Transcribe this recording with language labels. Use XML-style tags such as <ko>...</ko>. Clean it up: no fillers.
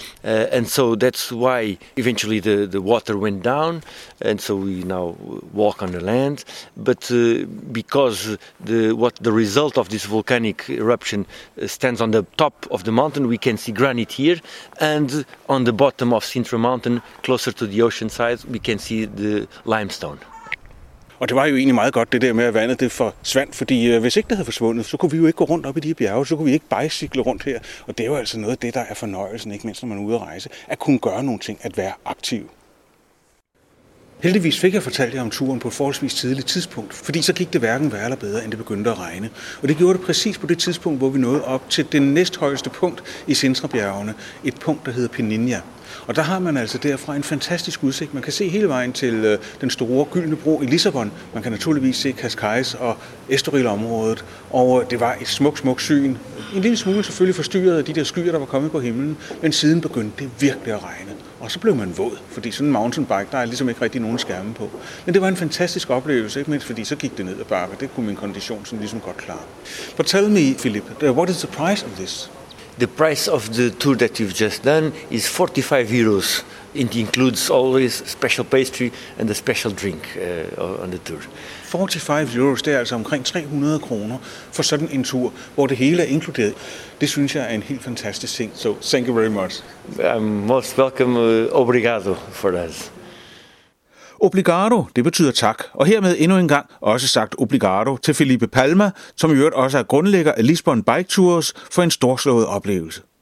<en>And so that's why eventually the water went down, and so we now walk on the land. But because the result of this volcanic eruption stands on the top of the mountain, we can see granite here, and on the bottom of Sintra mountain, closer to the ocean side, we can see the limestone.</en> <da>Og det var jo egentlig meget godt, det der med, at vandet det forsvandt, fordi hvis ikke det havde forsvundet, så kunne vi jo ikke gå rundt op i de her bjerge, så kunne vi ikke bicykle rundt her. Og det er jo altså noget af det, der er fornøjelsen, ikke mindst når man er ude at rejse, at kunne gøre nogle ting, at være aktiv. Heldigvis fik jeg fortalt jer om turen på et forholdsvis tidligt tidspunkt, fordi så gik det hverken værre eller bedre, end det begyndte at regne. Og det gjorde det præcis på det tidspunkt, hvor vi nåede op til det næsthøjeste punkt i Sintra-bjergene, et punkt, der hedder Pininja. Og der har man altså derfra en fantastisk udsigt. Man kan se hele vejen til den store gyldne bro i Lissabon. Man kan naturligvis se Cascais og Estoril-området. Og det var et smukt, smukt syn. En lille smule selvfølgelig forstyrret af de der skyer, der var kommet på himlen. Men siden begyndte det virkelig at regne. Og så blev man våd, fordi sådan en mountainbike, der er ligesom ikke rigtig nogen skærme på. Men det var en fantastisk oplevelse, ikke mindst fordi så gik det ned ad bakke. Det kunne min kondition sådan ligesom godt klare.</da> <en>But tell me, Philip, what is the price of this? The price of the tour that you've just done is 45 euros. It includes always special pastry and a special drink on the tour.</en> <da>45 euros, det er altså omkring 300 kroner for sådan en tur, hvor det hele er inkluderet. Det synes jeg er en helt fantastisk ting.</da> <en>So thank you very much. I'm most welcome. Obrigado for that.</en> <da>Obrigado, det betyder tak. Og hermed endnu en gang også sagt obrigado til Felipe Palma, som i øvrigt også er grundlægger af Lisbon Bike Tours, for en storslået oplevelse.</da>